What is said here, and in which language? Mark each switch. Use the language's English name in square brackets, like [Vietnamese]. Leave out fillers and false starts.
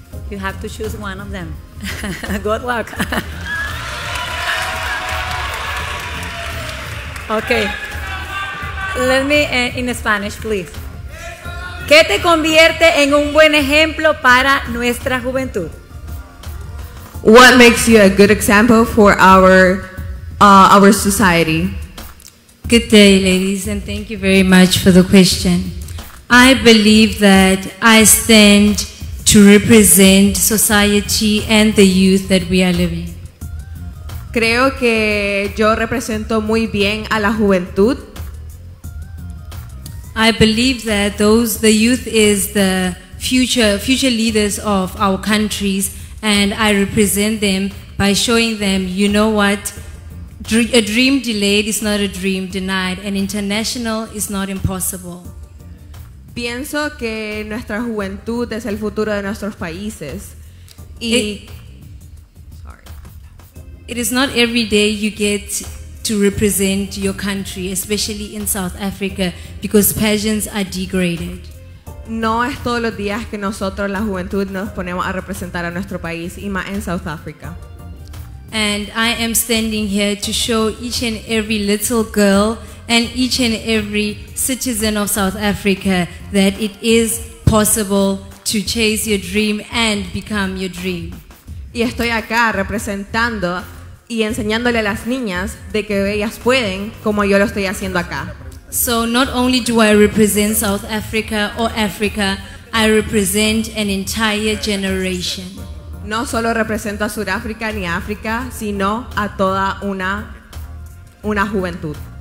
[English] You have to choose one of them. Good luck. Okay. Let me in Spanish, please. [Spanish] ¿Qué te convierte en un buen ejemplo para nuestra juventud? [English] What makes you a good example for our society? Good day, ladies, and thank you very much for the question. I believe that I stand to represent society and the youth that we are living. [Spanish] Creo que yo represento muy bien a la juventud. [English] I believe that the youth is the future leaders of our countries, and I represent them by showing them, you know what, a dream delayed is not a dream denied, and international is not impossible. [Spanish] Pienso que nuestra juventud es el futuro de nuestros países. [English] It is not every day you get to represent your country, especially in South Africa, because pageants are degraded. [Spanish] No es todos los días que nosotros, la juventud, nos ponemos a representar a nuestro país, y más en South Africa. [English] And I am standing here to show each and every little girl and each and every citizen of South Africa that it is possible to chase your dream and become your dream. [Spanish] Y estoy acá representando y enseñándole a las niñas de que ellas pueden, como yo lo estoy haciendo acá. [English] So not only do I represent South Africa or Africa, I represent an entire generation. [Spanish] No solo represento a Sudáfrica ni a África, sino a toda una juventud.